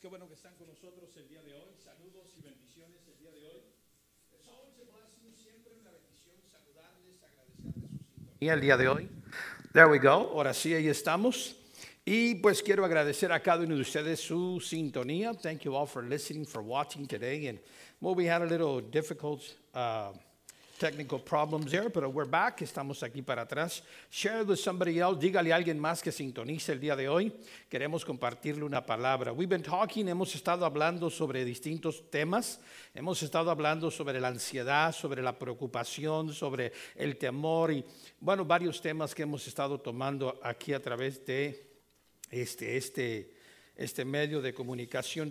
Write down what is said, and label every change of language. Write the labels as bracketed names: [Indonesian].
[Spanish] Qué bueno que están con nosotros el día de hoy. Saludos y bendiciones el día de hoy. [English] It's always a blessing, [Spanish] siempre una bendición, saludarles, agradecerles su sintonía el día de hoy. [English] There we go. [Spanish] Ahora sí, ahí estamos. Y pues quiero agradecer a cada uno de ustedes su sintonía. [English] Thank you all for listening, for watching today. And well, we had a little difficult technical problems there, but we're back. [Spanish] Estamos aquí para atrás. [English] Share with somebody else. [Spanish] Dígale a alguien más que sintonice el día de hoy. Queremos compartirle una palabra. [English] We've been talking. [Spanish] Hemos estado hablando sobre distintos temas. Hemos estado hablando sobre la ansiedad, sobre la preocupación, sobre el temor y, bueno, varios temas que hemos estado tomando aquí a través de este medio de comunicación.